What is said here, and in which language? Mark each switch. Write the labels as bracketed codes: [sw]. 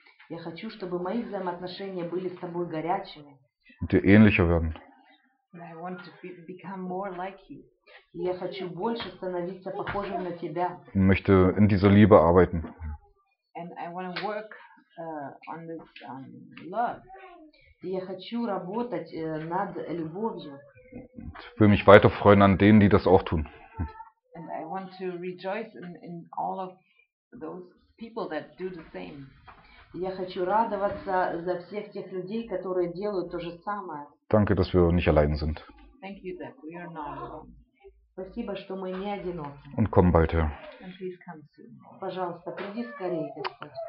[ru] Я хочу, чтобы мои взаимоотношения были с тобой горячими. Ты [de] ähnlicher werden. [en] I want to become more like you. [ru] Я хочу больше становиться похожим на тебя. [de] Ich möchte in dieser Liebe arbeiten. [en] And I want to work on this love. [ru] И я хочу работать над любовью. [de] Ich will mich weiter freuen an denen, die das auch tun. [en] And I want to rejoice in all of those people that do the same. [ru] Я хочу радоваться за всех тех людей, которые делают то же самое. [de] Danke, dass wir nicht allein sind. [en] Thank you that we are not alone. [ru] Спасибо, что мы не одиноки. [de] Und komm bald her. [en] And please come soon. [ru] Пожалуйста, приди скорее, Господь.